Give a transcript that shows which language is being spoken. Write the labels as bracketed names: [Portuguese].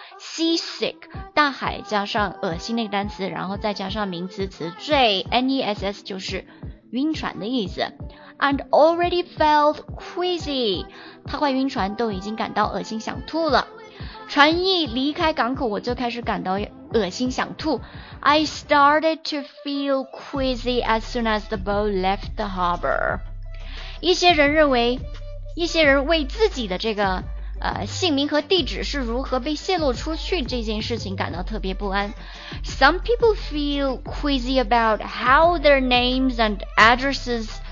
[Chinese] Seasick, 大海加上恶心那个单词，然后再加上名词词缀 N-E-S-S 就是晕船的意思。 [English] And already felt queasy. [Chinese] 他快晕船，都已经感到恶心想吐了。船一离开港口，我就开始感到恶心想吐。 [English] I started to feel queasy as soon as the boat left the harbor. [Chinese] 一些人为自己的这个姓名和地址是如何被泄露出去这件事情感到特别不安。 [English] Some people feel queasy about how their names and addresses.